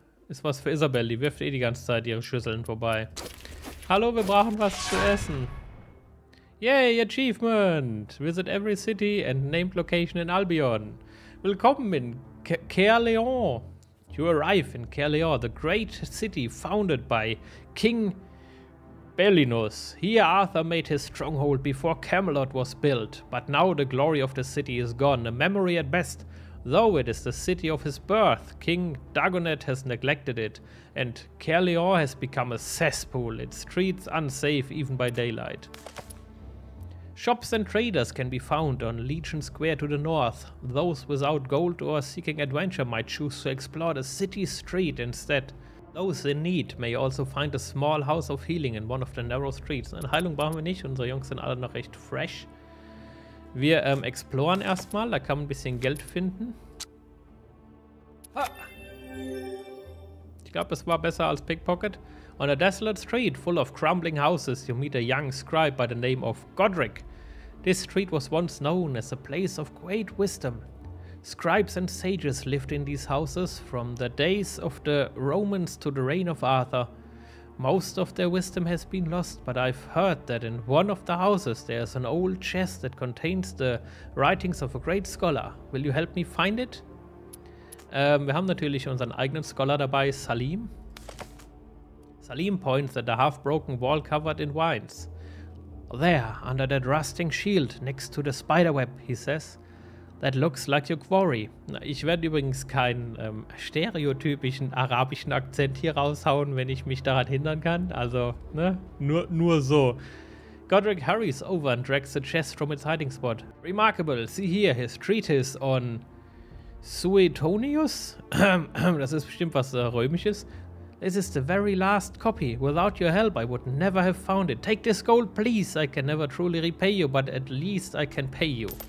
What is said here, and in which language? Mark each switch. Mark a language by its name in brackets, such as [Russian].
[German] Ist was für Isabel, die wirft eh die ganze Zeit ihre Schüsseln vorbei. Hallo, wir brauchen was zu essen. Yay, Achievement! [English] Visit every city and named location in Albion. [German] Willkommen in Caerleon. [English] You arrive in Caerleon, the great city founded by King Belinus. Here Arthur made his stronghold before Camelot was built, but now the glory of the city is gone, a memory at best. Though it is the city of his birth, King Dagonet has neglected it, and Caerleon has become a cesspool, its streets unsafe even by daylight. Shops and traders can be found on Legion Square to the north. Those without gold or seeking adventure might choose to explore the city street instead. Those in need may also find a small house of healing in one of the narrow streets. [German] Eine Heilung brauchen wir nicht, unsere Jungs sind alle noch recht fresh. Wir exploren erstmal, da kann man ein bisschen Geld finden. Ich glaube, es war besser als Pickpocket. [English] On a desolate street full of crumbling houses, you meet a young scribe by the name of Godric. This street was once known as a place of great wisdom. Scribes and sages lived in these houses from the days of the Romans to the reign of Arthur. Most of their wisdom has been lost, but I've heard that in one of the houses there is an old chest that contains the writings of a great scholar. Will you help me find it? [German] Wir haben natürlich unseren eigenen Scholar dabei, Salim. [English] Salim points at a half-broken wall covered in vines. There, under that rusting shield, next to the spiderweb, he says. That looks like your quarry. [German] Ich werde übrigens keinen stereotypischen arabischen Akzent hier raushauen, wenn ich mich daran hindern kann. Also, ne? Nur so. [English] Godric hurries over and drags the chest from its hiding spot. Remarkable, see here, his treatise on Suetonius? [German] Das ist bestimmt was Römisches. [English] This is the very last copy. Without your help, I would never have found it. Take this gold, please. I can never truly repay you, but at least I can pay you.